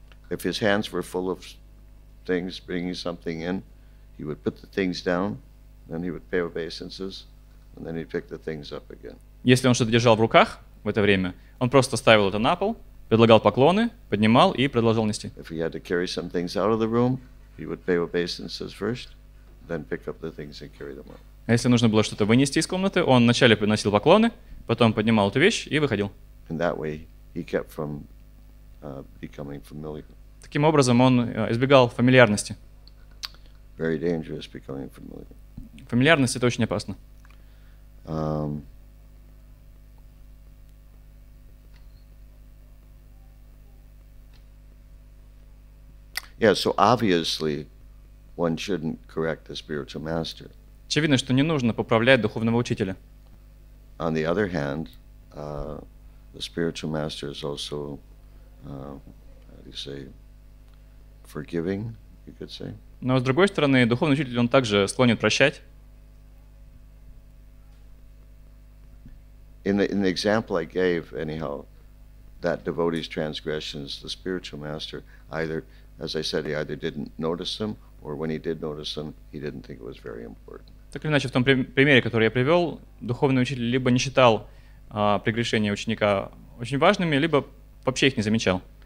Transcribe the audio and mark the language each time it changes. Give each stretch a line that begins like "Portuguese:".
English: If his hands were full of things, bringing something in, he would put the things down, then he would pay obeisances, and then he'd pick the things up again.
Russian: Если он что-то держал в руках в это время, он просто ставил это на пол, предлагал поклоны, поднимал и продолжал нести.
English: If he had to carry some things out of the room, he would pay obeisances first, then pick up the things and carry them out.
Russian: А если нужно было что-то вынести из комнаты, он вначале приносил поклоны, потом поднимал эту вещь и выходил.
English: And that way he kept from becoming familiar.
Russian: Таким образом, он избегал фамильярности.
English: Very dangerous becoming familiar.
Russian: Фамильярность — это очень опасно.
English: Yeah, so obviously one shouldn't correct the spiritual master.
Russian: Очевидно, что не нужно поправлять духовного учителя.
English: On the other hand, the spiritual master is also, how do you say, forgiving, you could say.
Russian: Но с другой стороны, духовный учитель, он также склонен прощать.
English: In the example I gave, anyhow, that devotee's transgressions, the spiritual master either, as I said, he either didn't notice them, or when he did notice them, he didn't think it was very important.
Russian: Так или иначе, в том примере, который я привел, духовный учитель либо не считал прегрешения ученика очень важными, либо вообще их не замечал.